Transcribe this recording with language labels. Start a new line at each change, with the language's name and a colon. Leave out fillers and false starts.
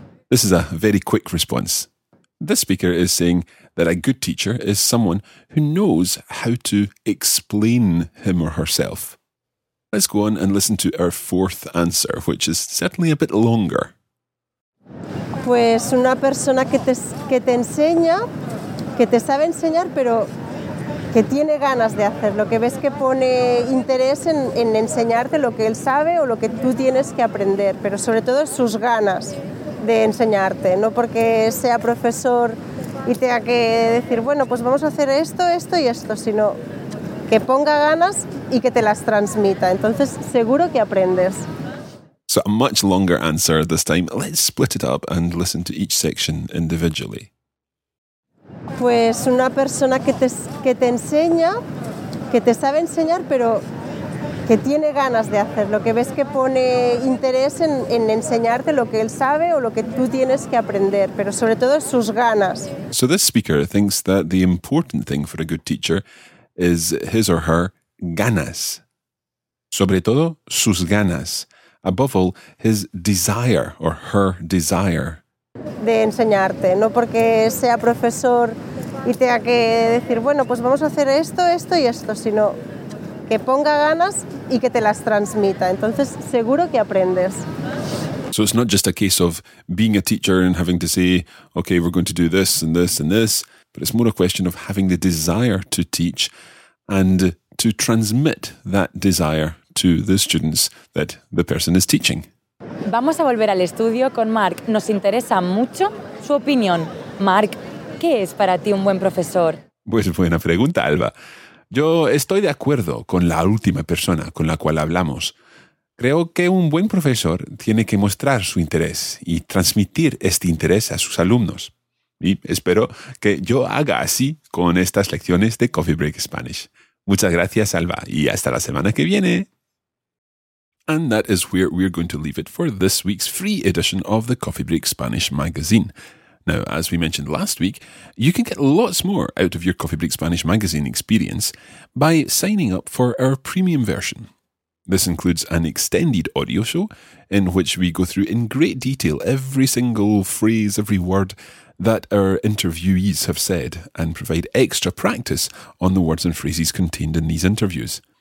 English: This is a very quick response. This speaker is saying that a good teacher is someone who knows how to explain him or herself. Let's go on and listen to our fourth answer, which is certainly a bit longer.
Spanish: Pues una persona que te enseña, que te sabe enseñar, pero que tiene ganas de hacerlo, que ves que pone interés en enseñarte lo que él sabe o lo que tú tienes que aprender, pero sobre todo sus ganas de enseñarte, no porque sea profesor y tenga que decir, bueno, pues vamos a hacer esto, esto y esto, sino que ponga ganas y que te las transmita. Entonces, seguro que aprendes.
English: So, a much longer answer this time. Let's split it up and listen to each section individually.
Spanish: Pues una persona que te enseña, que te sabe enseñar, pero que tiene ganas de hacerlo, que ves que pone interés en enseñarte lo que él sabe o lo que tú tienes que aprender, pero sobre todo sus ganas.
English: So this speaker thinks that the important thing for a good teacher is his or her ganas.
Spanish: Sobre todo, sus ganas.
English: Above all, his desire or her desire.
Spanish: De enseñarte, no porque sea profesor y tenga que decir, bueno, pues vamos a hacer esto, esto y esto, sino que ponga ganas y que te las transmita. Entonces, seguro que aprendes.
English: So it's not just a case of being a teacher and having to say, okay, we're going to do this and this and this, but it's more a question of having the desire to teach and to transmit that desire to the students that the person is teaching.
Spanish: Vamos a volver al estudio con Mark. Nos interesa mucho su opinión. Mark, ¿qué es para ti un buen profesor? Pues buena pregunta, Alba. Yo estoy de acuerdo con la última persona con la cual hablamos. Creo que un buen profesor tiene que mostrar su interés y transmitir este interés a sus alumnos. Y espero que yo haga así con estas lecciones de Coffee Break Spanish. Muchas gracias, Alba, y hasta la semana que viene.
English: And that is where we're going to leave it for this week's free edition of the Coffee Break Spanish magazine. Now, as we mentioned last week, you can get lots more out of your Coffee Break Spanish magazine experience by signing up for our premium version. This includes an extended audio show in which we go through in great detail every single phrase, every word that our interviewees have said and provide extra practice on the words and phrases contained in these interviews.